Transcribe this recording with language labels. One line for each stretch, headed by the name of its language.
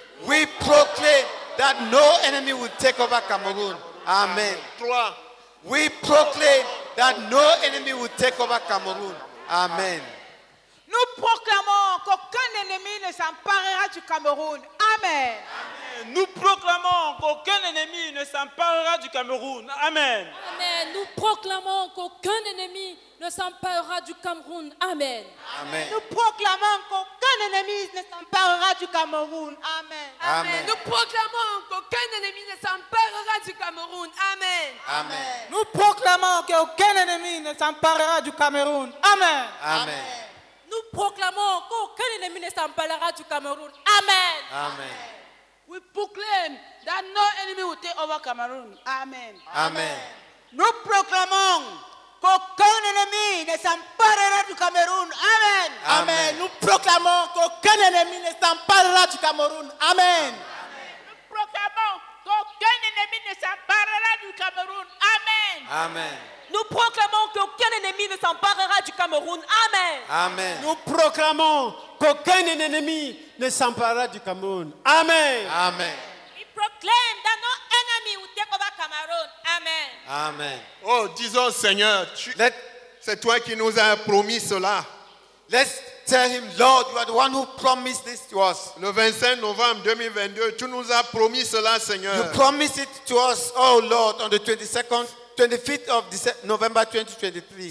English: We proclaim that no enemy will take over Cameroon. Amen.
French: Trois.
English: We proclaim that no enemy will take over Cameroon. Amen.
French: Nous proclamons qu'aucun ennemi ne s'emparera du Cameroun. Amen. Amen. Nous proclamons qu'aucun ennemi ne s'emparera du Cameroun. Amen. Amen. Nous proclamons qu'aucun ennemi ne s'emparera du Cameroun. Amen. Amen. Nous proclamons qu'aucun ennemi ne s'emparera du Cameroun. Amen. Amen. Amen. Nous proclamons qu'aucun ennemi ne s'emparera du Cameroun. Amen. Amen. Nous proclamons qu'aucun ennemi ne s'emparera du Cameroun. Amen. Amen. Nous proclamons qu'aucun ennemi ne s'emparera du Cameroun. Amen. Amen.
English: We proclaim that no enemy will take over Cameroon. Amen. Amen.
French: Nous proclamons qu'aucun ennemi ne s'emparera du Cameroun. Amen. Amen. Nous proclamons qu'aucun ennemi ne s'emparera du Cameroun. Amen. Nous proclamons qu'aucun ennemi ne s'emparera du Cameroun. Amen. Amen. Nous proclamons qu'aucun ennemi ne s'emparera du Cameroun. Amen. Amen. Nous proclamons qu'aucun ennemi ne s'emparera du Cameroun. Amen. Amen.
English: We proclaim that no enemy will take over Cameroon. Amen. Amen.
French: Oh, disons Seigneur, c'est toi qui nous as promis cela.
English: Let's tell him, Lord, you are the one who promised this to us.
French: Le 25 novembre 2022, tu nous as promis cela, Seigneur.
English: You promised it to us, oh Lord, on the 25th of November 2023.